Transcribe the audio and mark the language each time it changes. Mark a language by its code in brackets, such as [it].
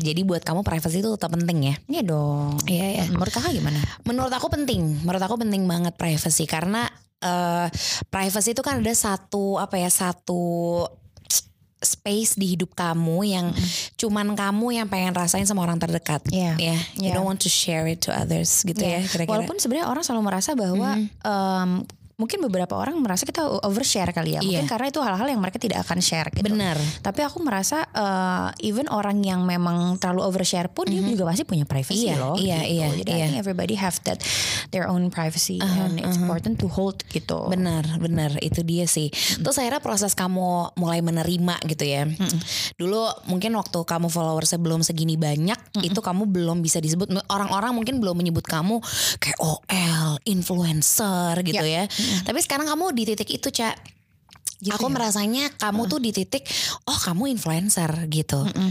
[id] Jadi buat kamu privacy itu tetap penting ya. Iya dong. Iya. Menurut kakak gimana? Menurut aku penting banget privacy. Karena privacy itu kan ada satu, apa ya, satu space di hidup kamu yang cuman kamu yang pengen rasain sama orang terdekat. [en] Yeah. You don't want to share it to others [id] gitu ya. Kira-kira. Walaupun sebenarnya orang selalu merasa bahwa mungkin beberapa orang merasa kita overshare kali ya. Mungkin karena itu hal-hal yang mereka tidak akan share gitu. Bener. Tapi aku merasa even orang yang memang terlalu overshare pun dia juga pasti punya privacy loh. Iya, gitu. Iya. Jadi [en] I think everybody have that their own privacy and it's important to hold [id] gitu. Bener, itu dia sih. Terus akhirnya proses kamu mulai menerima gitu ya. Dulu mungkin waktu kamu followersnya belum segini banyak, itu kamu belum bisa disebut, orang-orang mungkin belum menyebut kamu kayak OL, influencer gitu ya. Tapi sekarang kamu di titik itu, Cak. Gitu aku merasanya kamu tuh di titik, oh kamu influencer gitu.